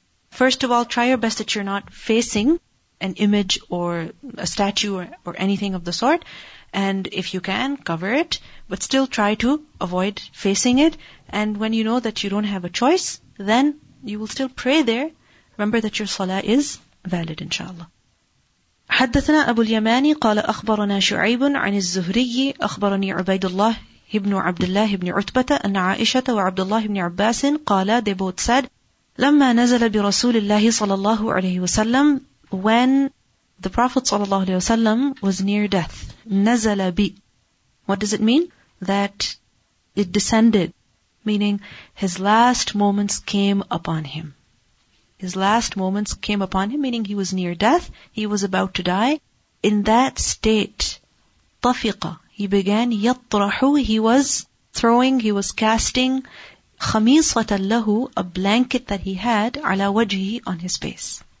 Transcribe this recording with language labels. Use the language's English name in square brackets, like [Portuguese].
[English] First of all, try your best that you're not facing an image or a statue or anything of the sort. And if you can, cover it, but still try to avoid facing it. And when you know that you don't have a choice, then you will still pray there. Remember that your salah is valid, inshallah. [Arabic] حدثنا أبو اليماني قال أخبرنا شعيب عن الزهري أخبرني عبيد الله ابن عبد الله بن عتبة أن عائشة وعبد الله بن عباس قالا [English] they both said [Arabic] لما نزل برسول الله صلى الله عليه وسلم [English] when the Prophet صلى الله عليه وسلم was near death [Arabic] نزل بي [English] what does it mean? That it descended, meaning his last moments came upon him. His last moments came upon him, meaning he was near death, he was about to die. In that state, tafiqa, he began yatrahu, he was casting [Arabic] khamisatan lahu, [English] a blanket that he had, [Arabic] ala wajhi, [English] on his face.